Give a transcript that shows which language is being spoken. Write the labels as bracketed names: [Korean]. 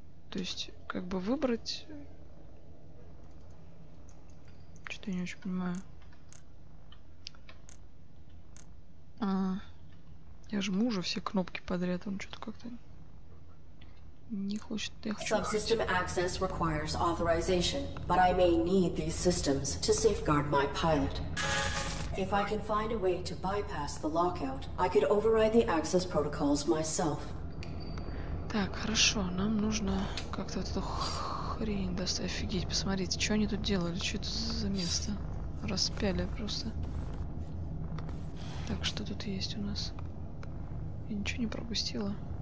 [Russian] То есть, как бы выбрать... Что-то я не очень понимаю. Я жму уже все кнопки подряд, он что-то как-то... Не хочет... Я хочу... [English] Subsystem access requires authorization, but I may need these systems to safeguard my pilot. If I can find a way to bypass the lockout, I could override the access protocols myself. [Russian] Так, хорошо, нам нужно как-то эту хрень достать. Офигеть, посмотрите, что они тут делали, что это за место? Распяли просто. Так, что тут есть у нас? Я ничего не пропустила.